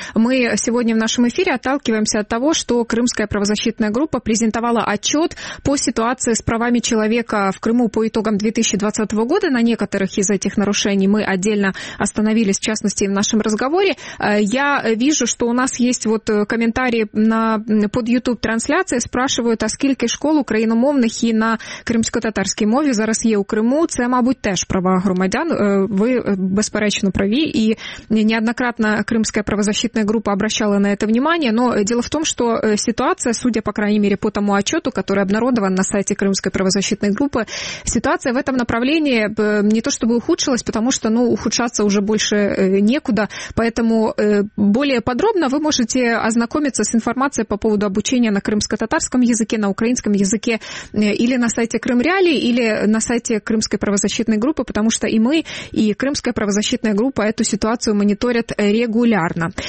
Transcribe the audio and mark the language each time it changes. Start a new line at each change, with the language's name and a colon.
Russian: Мы сегодня в нашем эфире отталкиваемся от того, что Крымская правозащитная группа презентовала отчет по ситуации с правами человека в Крыму по итогам 2020 года. На некоторых из этих нарушений мы отдельно остановились, в частности, в нашем разговоре. Я вижу, что у нас есть вот комментарии под YouTube-трансляцией.
Ukrainian: Спрашивают, а скільки школ україномовних і на кримсько-татарській мові зараз є у Криму? Це, мабуть, теж права громадян.
Russian: Вы
Ukrainian: безперечно праві, і
Russian: неоднократно Кримская правозащитная группа обращала на это внимание, но дело в том, что ситуация, судя по крайней мере по тому отчету, который обнародован на сайте Кримской правозащитной группы, ситуация в этом направлении не то чтобы ухудшилась, потому что, ну, ухудшаться уже больше некуда, поэтому более подробно вы можете ознакомиться с информацией по поводу обучения на крымско-татарском языке, на украинском языке или на сайте Крым Реали, или на сайте Крымской правозащитной группы, потому что и мы, и Крымская правозащитная группа эту ситуацию мониторят регулярно.